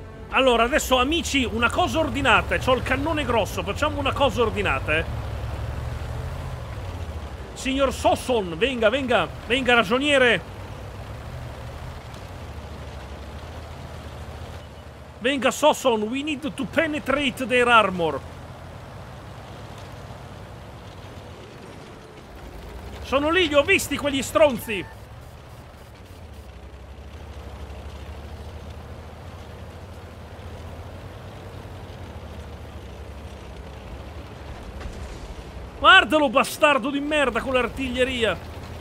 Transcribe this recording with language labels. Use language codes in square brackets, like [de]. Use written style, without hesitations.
[it] Allora, adesso, amici, una cosa ordinata. C'ho il cannone grosso, facciamo una cosa ordinata, Signor Sosson, venga, venga, venga, ragioniere. Venga, [en] Sosson, we need to penetrate their armor. [it] Sono lì, li ho visti, quegli stronzi. Guardalo, bastardo di merda, con l'artiglieria!